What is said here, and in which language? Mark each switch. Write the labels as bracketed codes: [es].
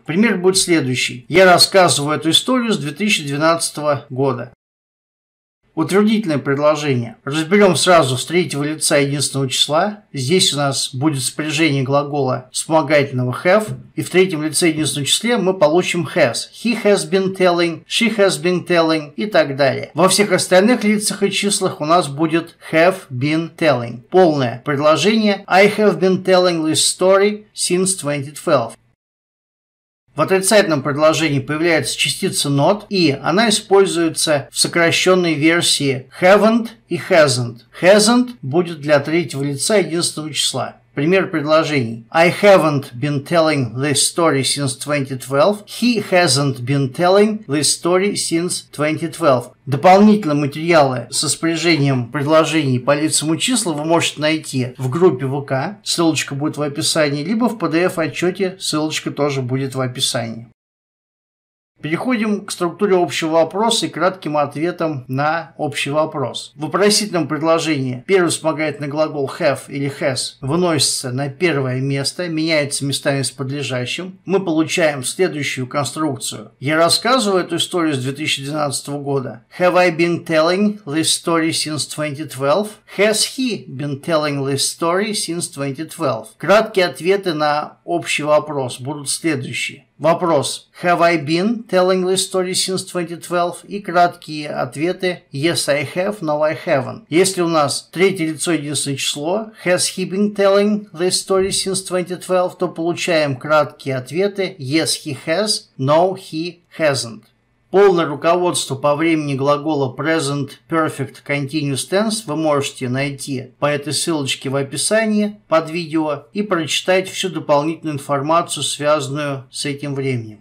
[ru] Пример будет следующий. Я рассказываю эту историю с 2012 года. Утвердительное предложение. Разберем сразу с третьего лица единственного числа. Здесь у нас будет спряжение глагола вспомогательного have. И в третьем лице единственного числа мы получим has. [en] He has been telling, she has been telling [ru] и так далее. Во всех остальных лицах и числах у нас будет [en] have been telling. [ru] Полное предложение. [en] I have been telling this story since 2012. [ru] В отрицательном предложении появляется частица not, и она используется в сокращенной версии haven't и hasn't. Hasn't будет для третьего лица единственного числа. Пример предложений. [en] I haven't been telling this story since 2012. He hasn't been telling this story since 2012. [ru] Дополнительные материалы со спряжением предложений по лицам и числам вы можете найти в группе ВК. Ссылочка будет в описании. Либо в PDF-отчете. Ссылочка тоже будет в описании. Переходим к структуре общего вопроса и кратким ответам на общий вопрос. В вопросительном предложении первый вспомогательный глагол have или has выносится на первое место, меняется местами с подлежащим. Мы получаем следующую конструкцию. Я рассказываю эту историю с 2012 года. [en] Have I been telling this story since 2012? Has he been telling this story since 2012? [ru] Краткие ответы на общий вопрос будут следующие. Вопрос [en] «Have I been telling this story since 2012?» [ru] и краткие ответы [en] «Yes, I have, no, I haven't». [ru] Если у нас третье лицо единственное число [en] «Has he been telling this story since 2012?» [ru] то получаем краткие ответы [en] «Yes, he has, no, he hasn't». [ru] Полное руководство по времени глагола Present Perfect Continuous Tense вы можете найти по этой ссылочке в описании под видео и прочитать всю дополнительную информацию, связанную с этим временем.